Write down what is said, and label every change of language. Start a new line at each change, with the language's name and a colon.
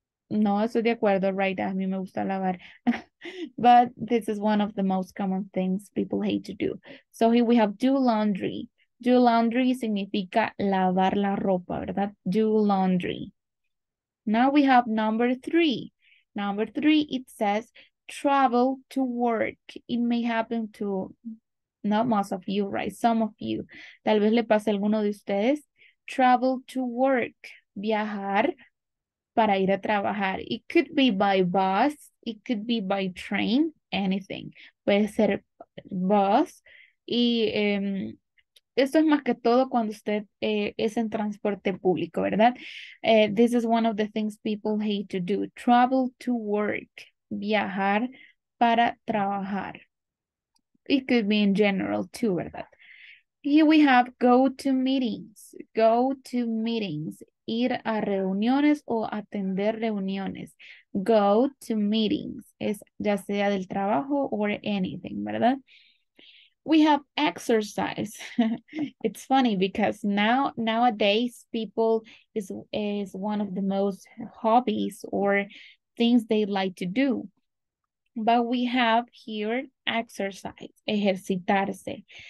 Spanish: No estoy de acuerdo,
English: right?
Spanish: A mí me gusta lavar.
English: But this is one of the most common things people hate to do. So here we have do laundry. Do laundry
Spanish: significa lavar la ropa, ¿verdad?
English: Do laundry. Now we have number 3. Number 3, it says travel to work. It may happen to not most of you, right? Some of you.
Spanish: Tal vez le pase a alguno de ustedes.
English: Travel to work.
Spanish: Viajar para ir a trabajar.
English: It could be by bus. It could be by train. Anything.
Spanish: Puede ser bus. Y esto es más que todo cuando usted es en transporte público, ¿verdad?
English: This is one of the things people hate to do. Travel to work.
Spanish: Viajar para trabajar.
English: It could be in general too, ¿verdad? Here we have go to meetings. Go to meetings.
Spanish: Ir a reuniones o atender reuniones.
English: Go to meetings.
Spanish: Es ya sea del trabajo
English: or anything,
Spanish: ¿verdad?
English: We have exercise. It's funny because nowadays people is one of the most hobbies or things they like to do. But we have here exercise, ejercitarse.